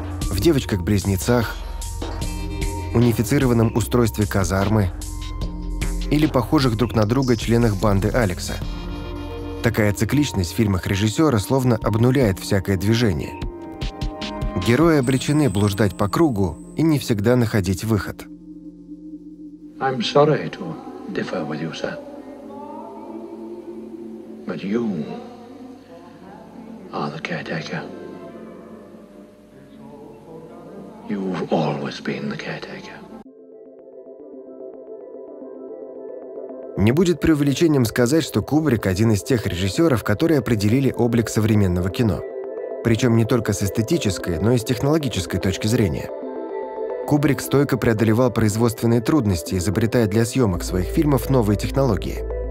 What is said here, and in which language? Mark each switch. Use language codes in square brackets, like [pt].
[ru] в девочках-близнецах, унифицированном устройстве казармы или похожих друг на друга членах банды Алекса. Такая цикличность в фильмах режиссера словно обнуляет всякое движение. Герои обречены блуждать по кругу и не всегда находить выход. [en] I'm sorry to differ with you, sir. But you are the caretaker. You've always been the caretaker. [ru] Не будет преувеличением сказать, что Кубрик – один из тех режиссеров, которые определили облик современного кино. Причем не только с эстетической, но и с технологической точки зрения. Кубрик стойко преодолевал производственные трудности, изобретая для съемок своих фильмов новые технологии.